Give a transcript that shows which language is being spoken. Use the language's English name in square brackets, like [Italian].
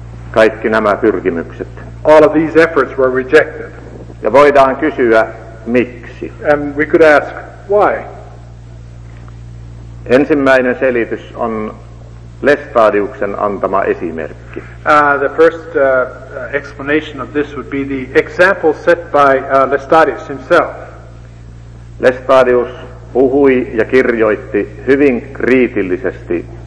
[Finnish] Kaikki nämä pyrkimykset. [English] All of these efforts were rejected. [Finnish] Ja voidaan kysyä, miksi? [English] And we could ask why. [Finnish] Ensimmäinen selitys on Lestadiuksen antama esimerkki. [English] The first explanation of this would be the example set by Lestadius himself. [Finnish] Lestadius puhui ja kirjoitti hyvin kriitillisesti.